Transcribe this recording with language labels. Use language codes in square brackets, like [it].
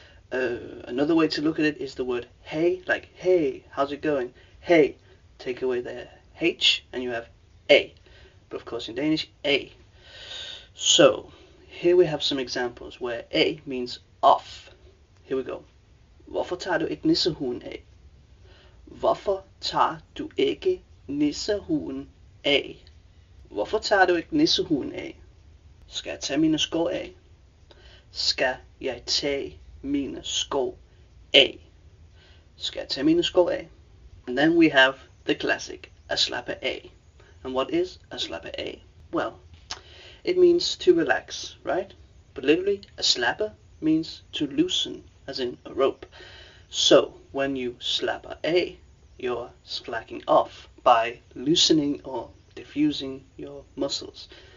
[en] Another way to look at it is the word hey, like hey, how's it going? Hey, take away the H and you have A. But of course in Danish, A. So, here we have some examples where A means off. Here we go. [da] Hvorfor tager du ikke nissehuen af? Hvorfor tager du ikke nissehuen af? Hvorfor tager du ikke nissehuen af? Skal jeg tage mine sko af? Skal jeg tage mine sko af? Skal jeg tage mine sko af? [en] And then we have the classic, [da] at slappe af. [en] And what is at slappe af? Well, it means to relax, right? But literally, a slapper means to loosen, as in a rope. So, when you slapper af, you're slacking off by loosening or diffusing your muscles.